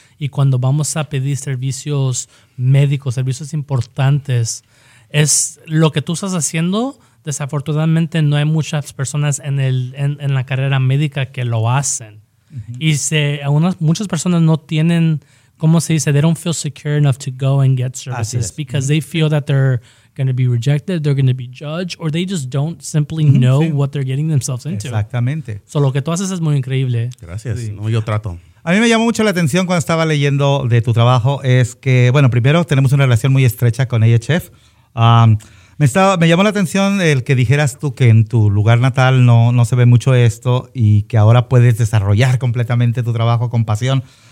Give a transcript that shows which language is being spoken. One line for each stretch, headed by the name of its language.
Spanish: Y cuando vamos a pedir servicios médicos, servicios importantes, es lo que tú estás haciendo. Desafortunadamente no hay muchas personas en la carrera médica que lo hacen. Uh-huh. Y muchas personas no tienen, ¿cómo se dice?
English: They don't feel secure enough to go and get services because uh-huh. They feel that they're going to be rejected, they're going to be judged, or they just don't simply know sí. What they're getting themselves into.
Spanish: Exactamente. So, lo que tú haces es muy increíble. Gracias. Sí. No, yo trato. A mí me llamó mucho la atención cuando estaba leyendo de tu trabajo, es que, bueno, primero tenemos una relación muy estrecha con AHF. Me llamó la atención el que dijeras tú que en tu lugar natal no se ve mucho esto y que ahora puedes desarrollar completamente tu trabajo con pasión.